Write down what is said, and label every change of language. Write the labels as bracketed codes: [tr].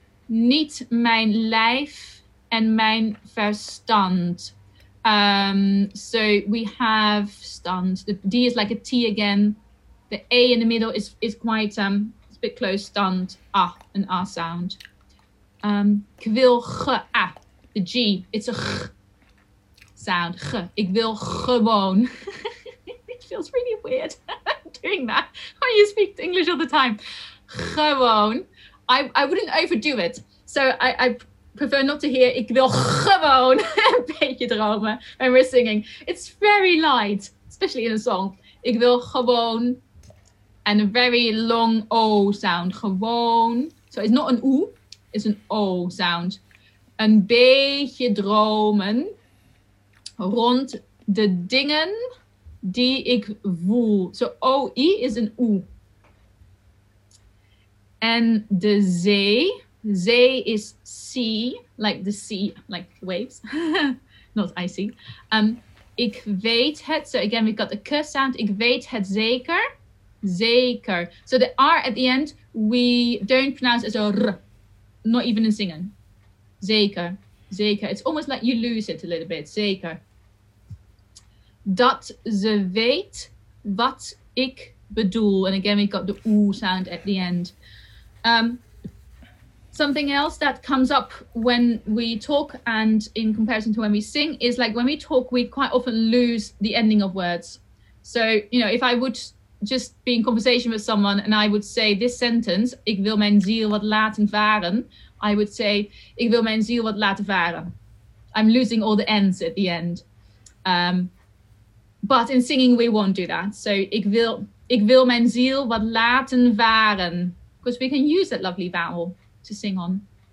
[nl] Niet mijn lijf en mijn verstand. [en] So we have stand. The D is like a T again. The A in the middle is quite it's a bit close. Stand. Ah, an R sound. [nl] Ik wil [en] the G. It's a G sound. G. [nl] Ik wil gewoon. [en] It feels really weird doing that when you speak English all the time. [nl] Gewoon. [en] I wouldn't overdo it. So I prefer not to hear, [nl] ik wil gewoon een beetje dromen [en] when we're singing. It's very light, especially in a song. [nl] Ik wil gewoon, [en] and a very long O sound, [nl] gewoon. [en] So it's not an O, it's an O sound. [nl] Een beetje dromen rond de dingen die ik voel. [en] So O-I is an O. [nl] En de zee. [en] Zee is sea, like waves, not icy. [nl] Ik weet het, [en] so again we've got the K sound, [nl] ik weet het zeker, zeker. [en] So the R at the end, we don't pronounce as a R, not even in singing. [nl] Zeker, zeker. [en] It's almost like you lose it a little bit, [nl] zeker. Dat ze weet wat ik bedoel. [en] And again we've got the O sound at the end. Something else that comes up when we talk and in comparison to when we sing is like when we talk, we quite often lose the ending of words. So, you know, if I would just be in conversation with someone and I would say this sentence, [nl] ik wil mijn ziel wat laten varen, [en] I would say, [nl] ik wil mijn ziel wat laten varen. [en] I'm losing all the ends at the end. But in singing, we won't do that. So [nl] ik wil mijn ziel wat laten varen. [en] Because we can use that lovely vowel to sing on.